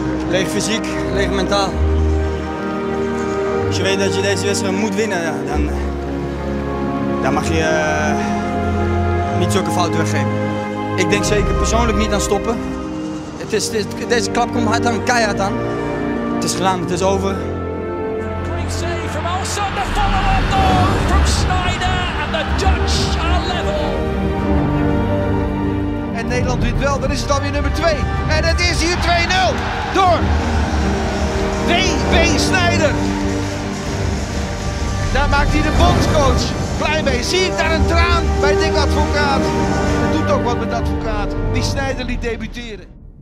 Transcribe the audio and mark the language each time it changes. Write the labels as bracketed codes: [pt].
[nl] Leeg fysiek, leeg mentaal. Als je weet dat je deze wedstrijd moet winnen, dan mag je niet zulke fouten weggeven. Ik denk zeker persoonlijk niet aan stoppen. Deze klap komt hard aan, keihard aan. Het is gedaan, het is over. [en] Great save from Olsen, the follow-up though from Snijder and the Dutch are level. [nl] En Nederland wint wel, dan is het alweer nummer 2. En het is hier 2-0 door W.W. Snijder. Daar maakt hij de bondscoach blij mee. Zie ik daar een traan bij Dick Advocaat? Dat doet ook wat met Advocaat, die Snijder liet debuteren.